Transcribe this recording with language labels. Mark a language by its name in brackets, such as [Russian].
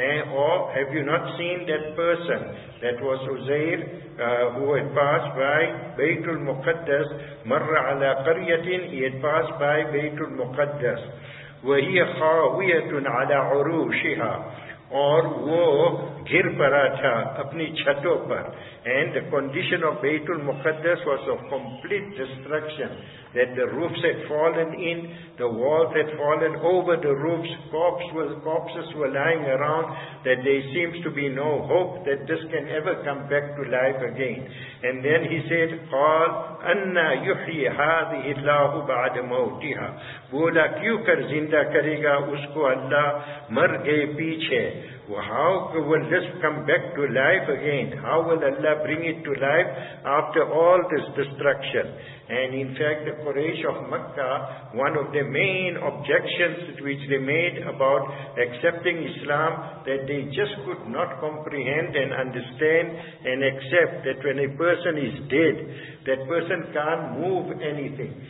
[English] or have you not seen that person, that was Uzair, who had passed by Baytul Muqaddas, [Arabic] marra ala qaryatin, [English] he had passed by Baytul Muqaddas, [Arabic] wa hiya khawiyatun ala urushiha, [Urdu] or wo ghir para tha apni chhaton par, [English] and the condition of Baytul Muqaddas was of complete destruction. that the roofs had fallen in, the walls had fallen over the roofs, corpses were lying around, that there seems to be no hope that this can ever come back to life again. And then he said, [Arabic] قال أَنَّا يُحْيِي هَذِهِ اللَّهُ بَعْدَ مَوْتِهَا [Urdu] بُولَا کیوں کر زندہ کرے گا اس کو اللہ مر گئے پیچھے. [English] How will this come back to life again? How will Allah bring it to life after all this destruction? And in fact, the Quraysh of Makkah, one of the main objections which they made about accepting Islam, that they just could not comprehend and understand and accept that when a person is dead, that person can't move anything.